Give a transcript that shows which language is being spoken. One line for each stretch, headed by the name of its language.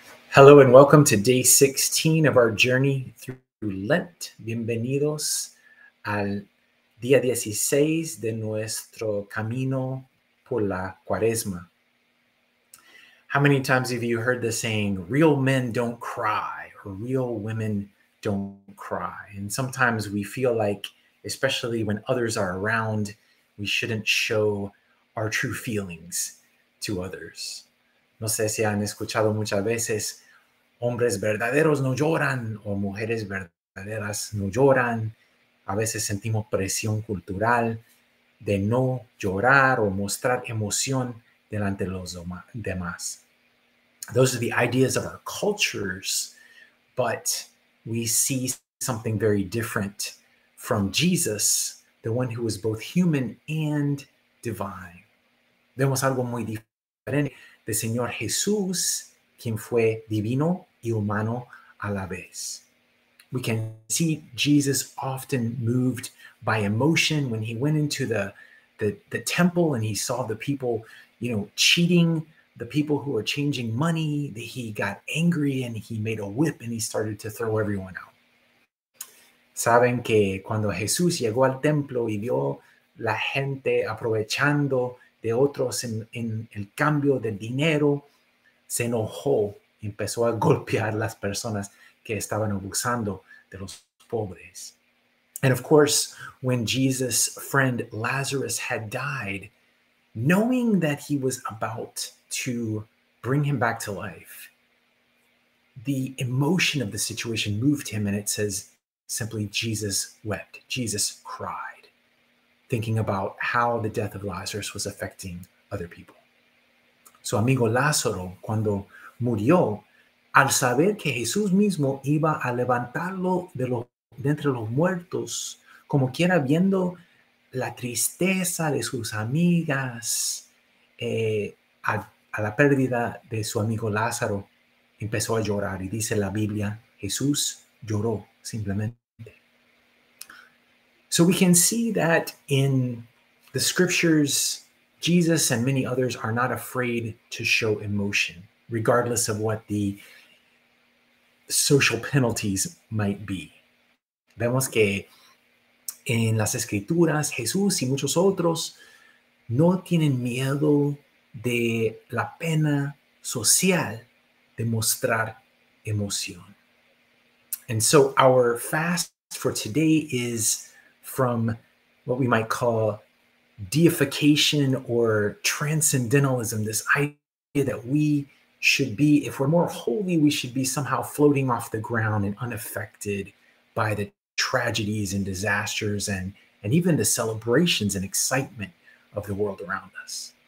English: Hello and welcome to day 16 of our journey through Lent.
Spanish: Bienvenidos al día 16 de nuestro camino por la Cuaresma.
English: How many times have you heard the saying, real men don't cry, or real women don't cry? And sometimes we feel like, especially when others are around, we shouldn't show our true feelings to others.
Spanish: No sé si han escuchado muchas veces, hombres verdaderos no lloran, o mujeres verdaderas no lloran. A veces sentimos presión cultural de no llorar o mostrar emoción delante de los demás.
English: Those are the ideas of our cultures, but we see something very different from Jesus, the one who was both human and divine.
Spanish: Vemos algo muy diferente de Señor Jesús, quien fue divino y humano a la vez.
English: We can see Jesus often moved by emotion when he went into the temple and he saw the people, you know, cheating, the people who are changing money. He got angry and he made a whip and he started to throw everyone out.
Spanish: Saben que cuando Jesús llegó al templo y vio la gente aprovechando de otros en el cambio de dinero, se enojó. Empezó a golpear las personas que estaban abusando de los pobres.
English: And of course, when Jesus' friend Lazarus had died, knowing that he was about to bring him back to life, the emotion of the situation moved him, and it says simply, Jesus wept, Jesus cried, thinking about how the death of Lazarus was affecting other people.
Spanish: So, amigo Lázaro, cuando murió, al saber que Jesús mismo iba a levantarlo de entre los muertos, como quiera viendo la tristeza de sus amigas a la pérdida de su amigo Lázaro, empezó a llorar. Y dice la Biblia, Jesús lloró simplemente.
English: So we can see that in the scriptures, Jesus and many others are not afraid to show emotion, regardless of what the social penalties might be.
Spanish: Vemos que en las Escrituras, Jesús y muchos otros no tienen miedo de la pena social de mostrar emoción.
English: And so our fast for today is from what we might call deification or transcendentalism, this idea that we should be, if we're more holy, we should be somehow floating off the ground and unaffected by the tragedies and disasters and even the celebrations and excitement of the world around us.